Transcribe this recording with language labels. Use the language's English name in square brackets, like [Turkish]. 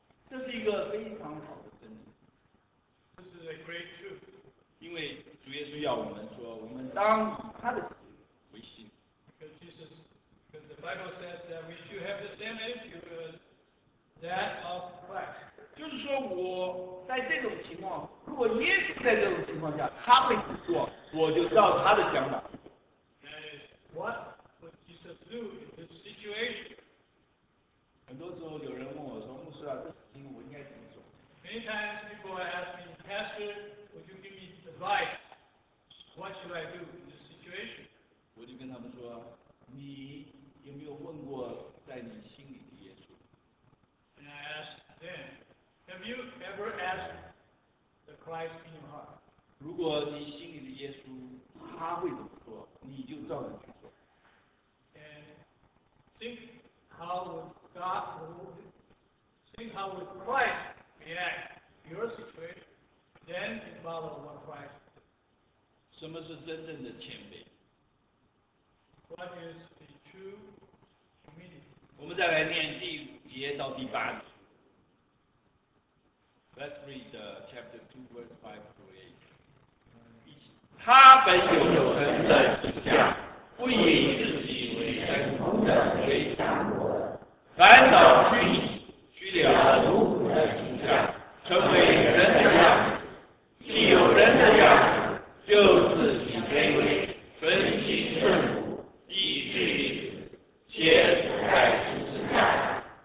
[Chinese] 这是一个非常好的真理。 [English] This is a great truth. [Chinese] 因为主耶稣要我们说，我们当以他的心为心。 [English] Because Jesus, because the Bible says that we should have the same attitude as that of Christ. [Chinese] 就是说我在这种情况，如果耶稣在这种情况下他会怎么做，我就照他的想法。 [English] That is what would Jesus do in this situation? [Chinese] 很多时候有人问我说：“牧师啊，这事情我应该怎么做？” [English] Many times people ask me, Pastor, would you give me advice? What should I do in this situation? [Chinese] 我就跟他们说：“你有没有问过在你心里的耶稣？” [English] And I ask them, Have you ever asked the Christ in your heart? [Chinese] 如果你心里的耶稣他会怎么说，你就照着去做。 [English] And think how would God would think how would Christ react to your situation, then follow what Christ. [Chinese] 什么是真正的谦卑？ [English] What What is the true humility? [Chinese] 我们再来念第五节到第八节。 [English] Let's read chapter 2, verse 5 through 8. [Chinese] 他本有永恒的形象，不以自己为神通的为下落的，反倒虚拟，虚了如虎的形象，成为人的样子。既有人的样子，就自己卑微，存心顺服，以至于且死在十字架。